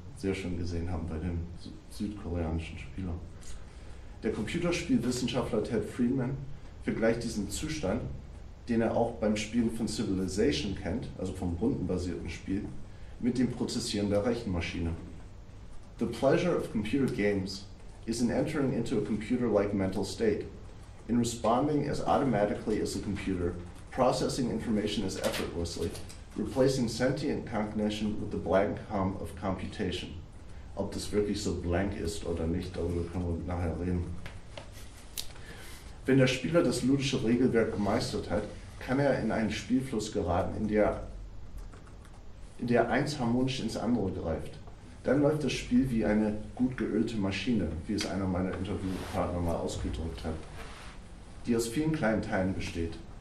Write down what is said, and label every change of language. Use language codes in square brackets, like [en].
[de] sehr schön gesehen haben bei dem südkoreanischen Spieler. Der Computerspielwissenschaftler Ted Friedman vergleicht diesen Zustand, den er auch beim Spielen von Civilization kennt, also vom rundenbasierten Spiel, mit dem Prozessieren der Rechenmaschine. [en] The pleasure of computer games is in entering into a computer-like mental state, in responding as automatically as a computer, processing information as effortlessly, replacing sentient cognition with the blank hum of computation. [de] Ob das wirklich so blank ist oder nicht, darüber können wir nachher reden. Wenn der Spieler das ludische Regelwerk gemeistert hat, kann er in einen Spielfluss geraten, in der eins harmonisch ins andere greift. Dann läuft das Spiel wie eine gut geölte Maschine, wie es einer meiner Interviewpartner mal ausgedrückt hat, die aus vielen kleinen Teilen besteht.